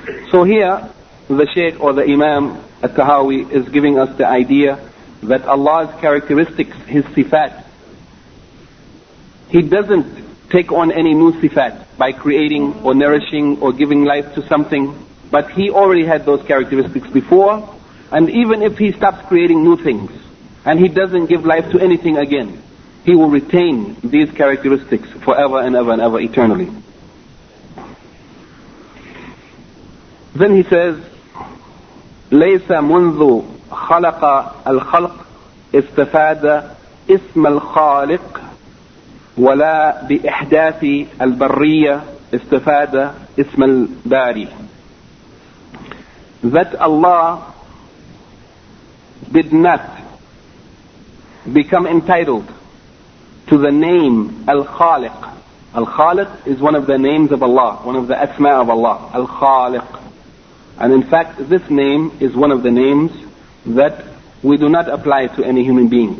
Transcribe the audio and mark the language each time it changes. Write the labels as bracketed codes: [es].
[en] So here, the Shaykh or the Imam al-Tahawi is giving us the idea that Allah's characteristics, his sifat, he doesn't take on any new sifat by creating or nourishing or giving life to something, but he already had those characteristics before. And even if he stops creating new things and he doesn't give life to anything again, he will retain these characteristics forever and ever and ever, eternally. Then he says, [ar] لَيْسَ مُنْذُ خَلَقَ الْخَلْقِ اسْتَفَادَ اسْمَ الْخَالِقِ وَلَا بِإِحْدَاثِ الْبَرِّيَّةِ اسْتَفَادَ اسْمَ الْبَارِي. [en] That Allah did not become entitled to the name Al-Khaliq. Al-Khaliq is one of the names of Allah, one of the asma of Allah, Al-Khaliq. And in fact, this name is one of the names that we do not apply to any human being.